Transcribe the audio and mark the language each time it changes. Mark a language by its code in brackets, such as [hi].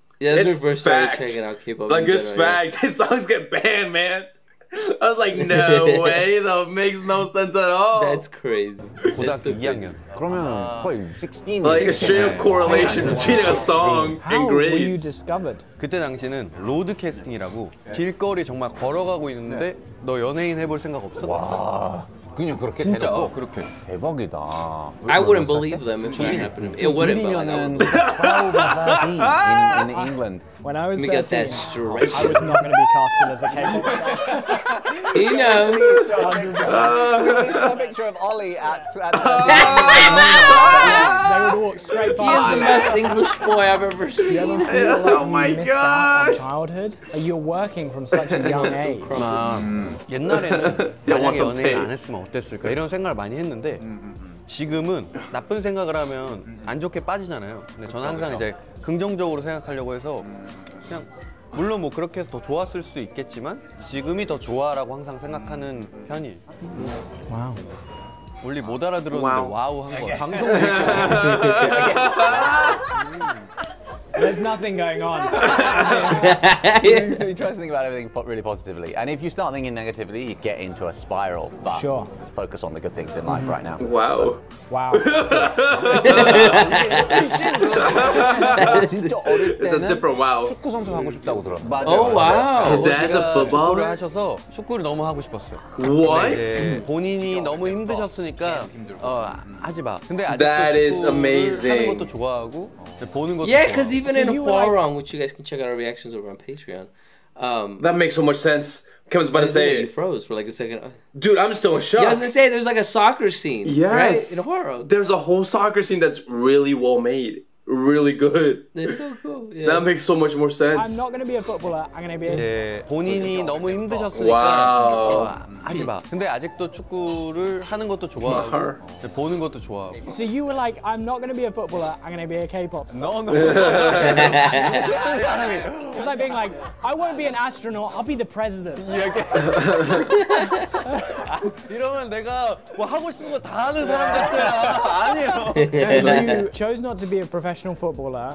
[en] Yeah, that's where we first started checking out K-pop. Like, it's fact. His songs get banned, man. I was like, no way. That makes no sense at all. That's crazy. Well, that's the youngin. [ko] 그러면 거의 16. [en] Like a straight up correlation between a song and grades. How were you discovered? [ko] 그때 당시는 로드 캐스팅이라고 길거리 정말 걸어가고 있는데 너 연예인 해볼 생각 없어? 와. 그냥 그렇게 진짜? 대놓고 그렇게 대박이다. [en] I wouldn't believe them if that happened. It wouldn't. 2002년은 12 in England. When I was 13, I was not going to be casted as a K-pop star. He knows. Can you show a picture of Ollie at He is the most English boy I've ever seen. Oh my gosh. Childhood? You're working from such a young age. [ko] 옛날에는 만약에 연애를 안 했으면 어땠을까 이런 생각을 많이 했는데 지금은 나쁜 생각을 하면 안 좋게 빠지잖아요. 근데 그쵸, 저는 항상 그쵸. 이제 긍정적으로 생각하려고 해서 그냥 물론 뭐 그렇게 해서 더 좋았을 수도 있겠지만 지금이 더 좋아라고 항상 생각하는 편이에요. 와우. 원래 못 알아들었는데 와우 한 거. 방송을 했죠. [en] There's nothing going on. So you try to think about everything really positively. And if you start thinking negatively, you get into a spiral. But sure. Focus on the good things in life right now. Wow. So. Wow. It's a different wow. [ko] 축구 선수 하고 싶다고 들었어. [en] 맞아요. Oh, wow. His dad's a football? [ko] 축구를 하셔서 축구를 너무 하고 싶었어요. [en] What? 네. [ko] 본인이 너무 힘드셨으니까 하지 마. 근데 [en] That is amazing. [ko] 하는 것도 좋아하고 보는 것도 [en] yeah, because even so in Huarong, like... which you guys can check out our reactions over on Patreon. That makes so much sense. Kevin's about to say you froze for like a second. Dude, I'm still in shock. Yeah, I was going to say, there's like a soccer scene. Yes. Right? In Huarong. There's a whole soccer scene that's really well made. Really good. It's so cool. Yeah. That makes so much more sense. I'm not going to be a footballer. I'm going to be a... Yeah. [ko] 본인이 너무 힘드셨으니까 [en] wow. [ko] 하지 마. 근데 아직도 축구를 하는 것도 좋아하고 보는 것도 좋아하고. [en] So you were like, I'm not going to be a footballer. I'm going to be a K-pop star. No, no. It's like being like, I won't be an astronaut. I'll be the president. [ko] 이러면 내가 뭐 하고 싶은 거 다 하는 사람 같잖아. 아니에요. [en] You chose not to be a professional footballer.